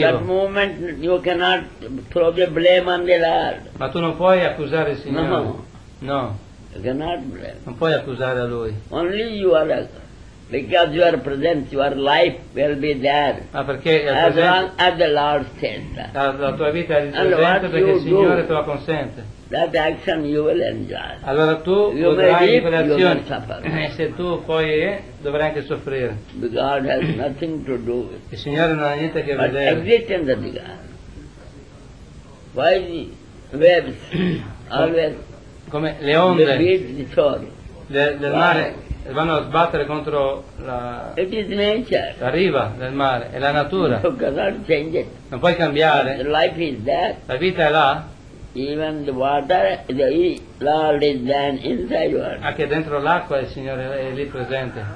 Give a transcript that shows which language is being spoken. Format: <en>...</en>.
<en>That moment you cannot throw the blame on the Lord.</en> <it>Ma tu non puoi accusare il Signore.</it> <en>No. No. You cannot blame.</en> <it>Non puoi accusare a Lui.</it> <en>Only you are, because you are present, your life will be there.</en> <it>Ma perché è presente?</it> <en>As long as the Lord says.</en> <it>La tua vita è presente perché il Signore te la consente.</it> <en>That action you will enjoy.</en> <it>Allora tu</it> <en>you</en> <it>godrai quelle azioni, e se tu poi dovrai anche soffrire.</it> <en>The God has nothing to do with.</en> <it>Il Signore non ha niente a che</it> <en>but</en> <it>vedere.</it> <en>Exist in the God. Why the waves always</en> <it>come le onde</it> <en>the shore.</en> <it>Del mare vanno a sbattere contro la,</it> <en>it is nature.</en> <it>La riva del mare, è la natura.</it> <en>You cannot change it.</en> <it>Non puoi cambiare.</it> <en>The life is that.</en> <it>La vita è là.</it> <en>Even the water, the Lord is then inside you.</en> <it>Anche dentro l'acqua il Signore è lì presente.</it>